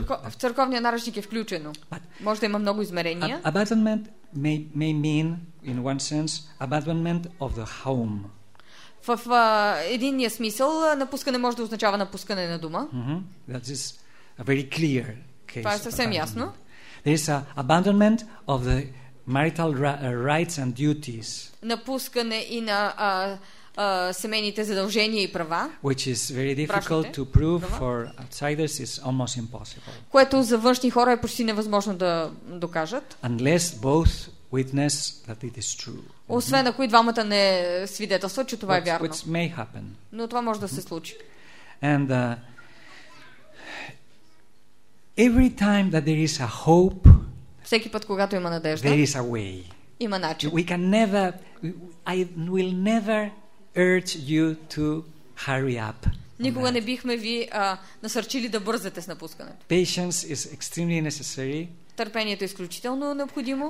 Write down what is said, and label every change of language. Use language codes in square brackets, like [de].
[bg] в църковния наръчник е включено. Може да има много измерения. [en] Abandonment may mean, in one sense, abandonment of the home. [bg] В единия смисъл напускане може да означава напускане на дома. [en] That is a very clear case. [bg] Това е съвсем ясно. [en] There is a abandonment of the marital rights and duties. [bg] Напускане и на семейните задължения и права. [en] Which is very difficult to prove for outsiders is almost impossible. [bg] Което за външни хора е почти невъзможно да докажат. [en] Unless both witness that it is true. [bg] Освен ако и двамата не свидетелстват, че това е вярно. [en] Which may happen. [bg] Но това може да се случи. [en] And every time that there is a hope, [bg] всеки път когато има надежда, [en] there is a way. [bg] Има начин. [en] We can never, I will never urge you to hurry up. [bg] Никога не бихме ви насърчили да бързате с напускането. [en] Patience is extremely necessary. [bg] Търпението е изключително необходимо.